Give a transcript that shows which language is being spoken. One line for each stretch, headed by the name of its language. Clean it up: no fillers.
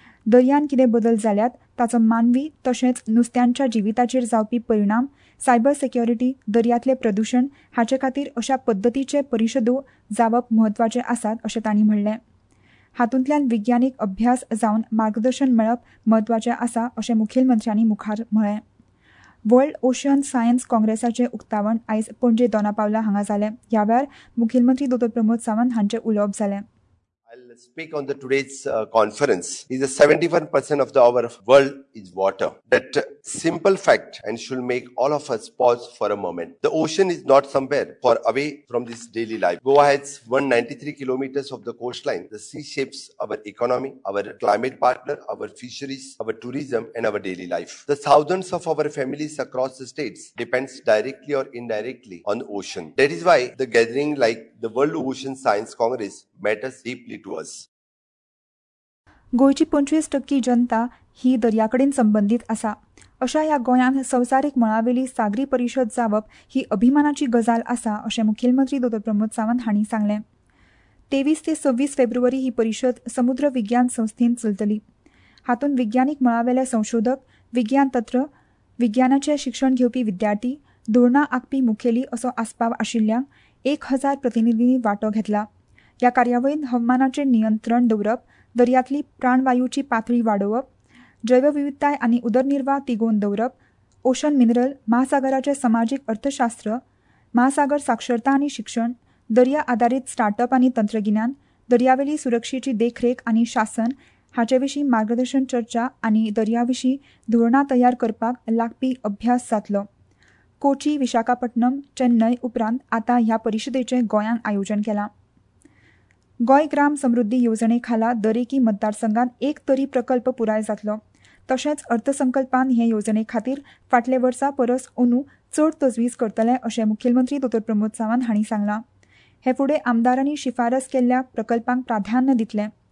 Goan Konkani: दर्यान कितें बदल जाल्यात ताचो मानवी तशेंच नुस्त्यांच्या जिविताचेर जावपी परिणाम, सायबर सेक्युरिटी, दर्यांतले प्रदुशण हाचे खातीर अशा पद्दतीचे परिशदो जावप म्हत्वाचे आसात अशें तांणी म्हणलें. हातूंतल्यान विज्ञानीक अभ्यास जावन मार्गदर्शन मेळप म्हत्वाचें आसा अशें मुखेलमंत्र्यांनी मुखार म्हळें. वर्ल्ड ओशन सायन्स काँग्रेसाचें उक्तावण आयज पणजे दोना पावला हांगा जालें. ह्या वेळार मुखेलमंत्री दोतोर प्रमोद सावंत हांचें उलोवप जालें.
English: I'll speak on the today's conference. Is the 71% of the our world is water. That simple fact and should make all of us pause for a moment. The ocean is not somewhere far away from this daily life. Goa has 193 kilometers of the coastline. The sea shapes our economy, our climate partner, our fisheries, our tourism and our daily life. The thousands of our families across the states depends directly or indirectly on the ocean. That is why the gathering like the World Ocean Science Congress matters deeply to us.
Goan Konkani: गोंयची 25% जनता ही दर्या कडेन संबंधित आसा. अशा ह्या गोंयांत संवसारीक मळावेली सागरी परिशद जावप ही अभिमानाची गजाल आसा अशें मुखेलमंत्री दोतोर प्रमोद सावंत हांणी सांगलें. 23-26 फेब्रुवारी ही परिशद समुद्र विज्ञान संस्थेन चलतली. हातूंत विज्ञानीक मळावेले संशोधक, विज्ञान तत्र, विज्ञानाचें शिक्षण घेवपी विद्यार्थी, धोरणां आंखपी मुखेली असो आसपाव आशिल्ल्यांक 1000 प्रतिनिधींनी वांटो घेतला. ह्या कार्यावळींत हवामानाचें नियंत्रण दवरप, दर्यांतली प्राणवायूची पातळी वाडोवप, जैवविविधताय आनी उदरनिर्वाह तिगोवन दवरप, ओशन मिनरल, महासागराचे समाजीक अर्थशास्त्र, महासागर साक्षरता आनी शिक्षण, दर्या आदारीत स्टार्टअप आनी तंत्रगिन्यान, दर्यावेली सुरक्षेची देखरेख आनी शासन हाचे विशीं मार्गदर्शन चर्चा आनी दर्याविशीं धोरणां तयार करपाक लागपी अभ्यास जातलो. कोची, विशाखापट्टणम, चेन्नय उपरांत आतां ह्या परिशदेचें गोंयांत आयोजन केलां. गोंय ग्राम समृद्धी येवजणे खाला दरेकी मतदारसंघात एक तरी प्रकल्प पुराय जातलो. तशेंच अर्थसंकल्पान हे येवजणे खातीर फाटले वर्सा परस अंदू चड तजवीज करतले अशें मुखेलमंत्री दोतोर प्रमोद सावंत हांणी सांगलां. हे फुडें आमदारांनी शिफारस केल्ल्या प्रकल्पांक प्राधान्य दितले.